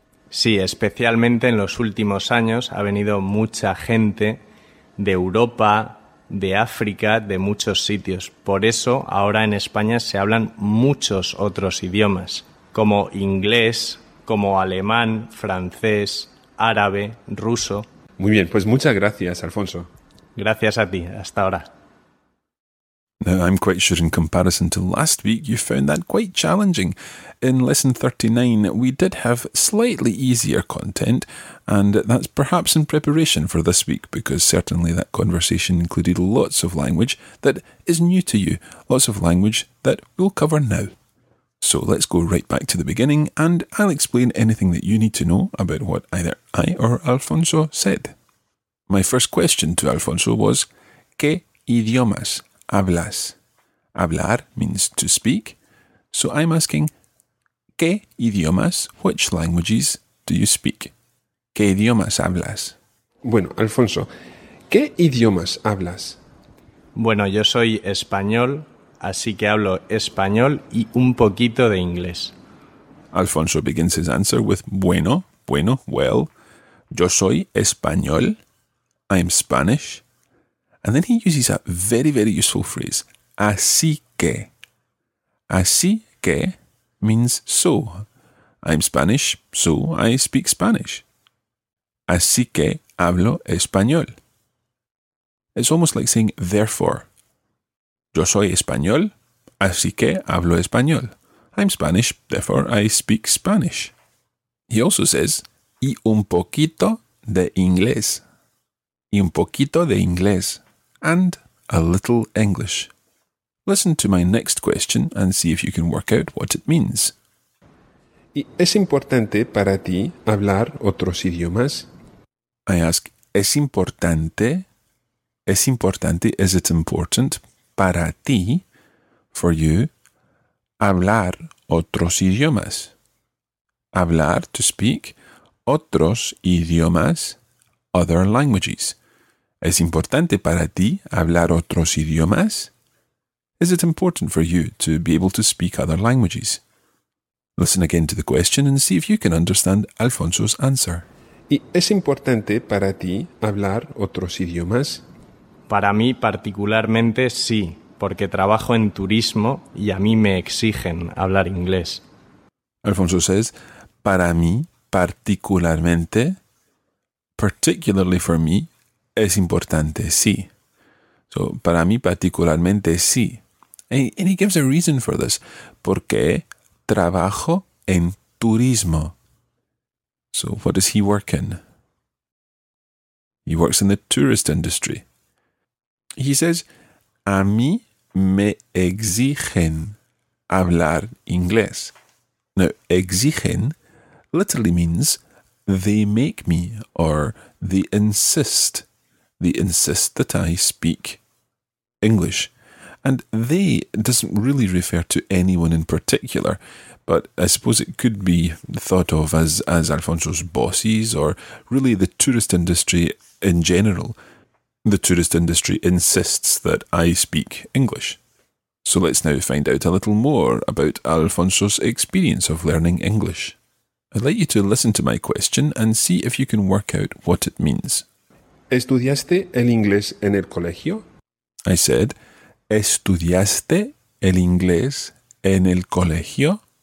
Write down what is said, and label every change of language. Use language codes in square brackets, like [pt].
[es] Sí, especialmente en los últimos años ha venido mucha gente de Europa, de África, de muchos sitios. Por eso ahora en España se hablan muchos otros idiomas, como inglés, como alemán, francés, árabe, ruso. Muy bien, pues muchas gracias, Alfonso. Gracias a ti. Hasta ahora. [en] Now, I'm quite sure in comparison to last week, you found that quite challenging. In lesson 39, we did have slightly easier content, and that's perhaps in preparation for this week, because certainly that conversation included lots of language that is new to you, lots of language that we'll cover now. So let's go right back to the beginning, and I'll explain anything that you need to know about what either I or Alfonso said. My first question to Alfonso was, [es] ¿qué idiomas hablas? [en] Hablar means to speak, so I'm asking, [es] ¿qué idiomas, [en] which languages, do you speak? [es] ¿Qué idiomas hablas? Bueno, Alfonso, ¿qué idiomas hablas? Bueno, yo soy español, así que hablo español y un poquito de inglés. [en] Alfonso begins his answer with bueno, bueno, well. [es] Yo soy español. [en] I'm Spanish. And then he uses a very, very useful phrase. [es] Así que. Así que [en] means so. I'm Spanish, so I speak Spanish. [es] Así que hablo español. [en] It's almost like saying therefore. [es] Yo soy español, así que hablo español. [en] I'm Spanish, therefore I speak Spanish. He also says, [es] y un poquito de inglés. Y un poquito de inglés. [en] And a little English. Listen to my next question and see if you can work out what it means. [es] ¿Y es importante para ti hablar otros idiomas? [en] I ask, [es] ¿es importante? ¿Es importante? [en] Is it important? [es] Para ti, [en] for you, [es] hablar otros idiomas. Hablar, [en] to speak, [es] otros idiomas, [en] other languages. [es] ¿Es importante para ti hablar otros idiomas? [en] Is it important for you to be able to speak other languages? Listen again to the question and see if you can understand Alfonso's answer. [es] ¿Y es importante para ti hablar otros idiomas? Para mí particularmente sí, porque trabajo en turismo y a mí me exigen hablar inglés. [en] Alfonso says, [es] para mí particularmente, [en] particularly for me, [es] es importante, sí. So, para mí particularmente sí. [en] And he gives a reason for this, [es] porque trabajo en turismo. [en] So, what does he work in? He works in the tourist industry. He says, [es] a mí me exigen hablar inglés. [en] Now, exigen literally means they make me or they insist. They insist that I speak English. And they doesn't really refer to anyone in particular, but I suppose it could be thought of as Alfonso's bosses or really the tourist industry in general. The tourist industry insists that I speak English. So let's now find out a little more about Alfonso's experience of learning English. I'd like you to listen to my question and see if you can work out what it means. [es] ¿Estudiaste el inglés en el colegio? [en] I said, [es] ¿estudiaste el inglés en el colegio?